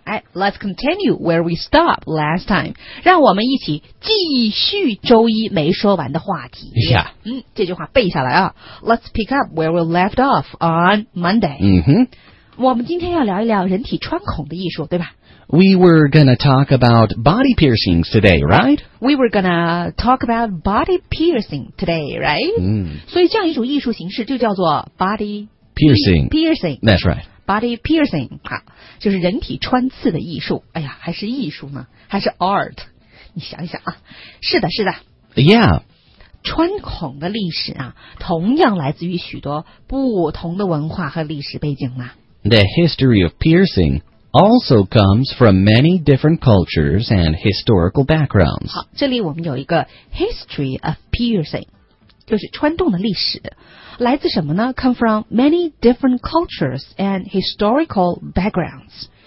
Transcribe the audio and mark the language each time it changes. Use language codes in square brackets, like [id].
[zh] 哎 ， [en] Let's continue where we stopped last time， [zh] 让我们一起继续周一没说完的话题。 [en] Yeah， [zh] 嗯，这句话背下来啊。 [en] Let's pick up where we left off on Monday。嗯哼， [zh] 我们今天要聊一聊人体穿孔的艺术，对吧？ [en] We were gonna talk about body piercings today, right? We were gonna talk about body piercing today, right? 嗯， [zh] 所以这样一种艺术形式就叫做 body [en] piercing. Piercing. That's right. Body piercing. [zh] 好，就是人体穿刺的艺术。哎呀，还是艺术呢？还是 art? 你想一想啊。是的，是的。 [en] Yeah. [zh] 穿孔的历史啊，同样来自于许多不同的文化和历史背景啊。 [en] The history of piercing. Also comes from many different cultures and historical backgrounds. [zh] 好，这里我们有一个 [en] history of piercing， [zh] 就是穿洞的历史，来自什么呢？ [en] Come from many different cultures and historical backgrounds.